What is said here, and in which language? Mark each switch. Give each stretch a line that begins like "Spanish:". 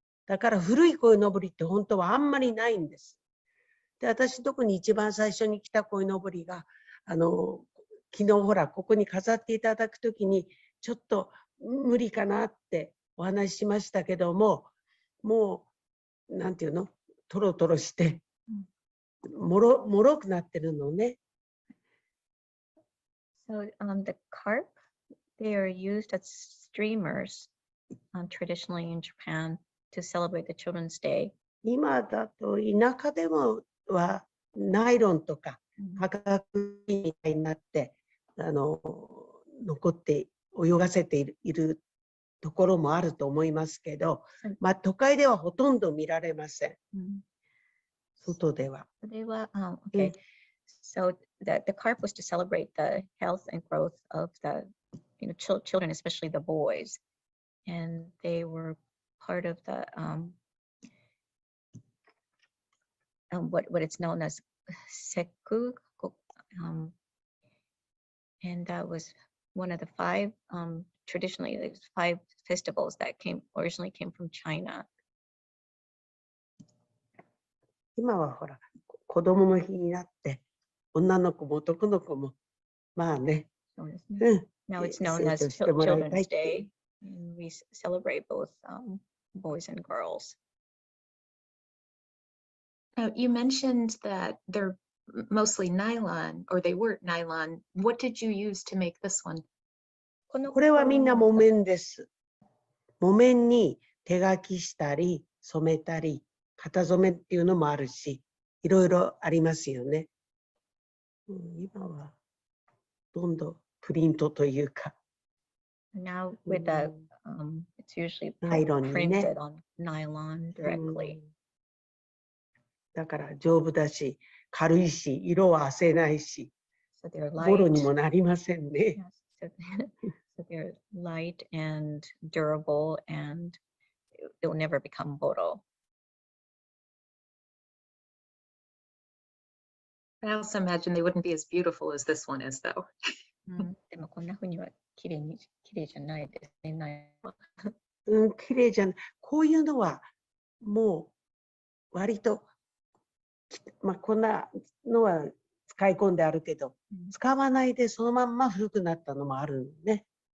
Japanese: だから古い鯉のぼりって本当はあんまりないんです。で、私特に一番最初に来た鯉のぼりが、昨日ほら、ここに飾っていただくときに、ちょっと無理かなってお話ししましたけども、もうなんていうの、トロトロしてもろくなってるのね。
English: So, the carp, they are used as streamers, traditionally in Japan to celebrate the Children's Day.
Japanese: 今だと田舎でもはナイロンとか化学品みたいになって、残って泳がせている、いるところもあると思いますけど、まあ、都会ではほとんど見られません。外では。それは、
English: okay. So the carp was to celebrate the health and growth of the, you know, children, especially the boys, and they were part of the what it's known as seku, and that was one of the five traditionally the five festivals that originally came from China.
Japanese: 今はほら子供の日になって女の子も男の子もまあね。
English: Now it's known as Children's Day. We celebrate both boys and girls. Now you mentioned that they're mostly nylon, or they were nylon. What did you use to make this one?
Japanese: これはみんな木綿です。木綿に手書きしたり染めたり型染めっていうのもあるし、いろいろありますよね。今はどんどんプリントというか。
English: Now with the, it's usually printed on nylon directly.
Japanese: だから丈夫だし、軽いし、色はあせないし、ボロにもなりませんね。
English: So they're light and durable and they'll never become ボロ。 I also imagine they wouldn't be as beautiful as this one is, though.
Japanese: でもこんなふうには綺麗じゃないですね。綺麗じゃん。こういうのはもう割と、まあ、こんなのは使い込んであるけど、使わないでそのまんま古くなったのもあるね。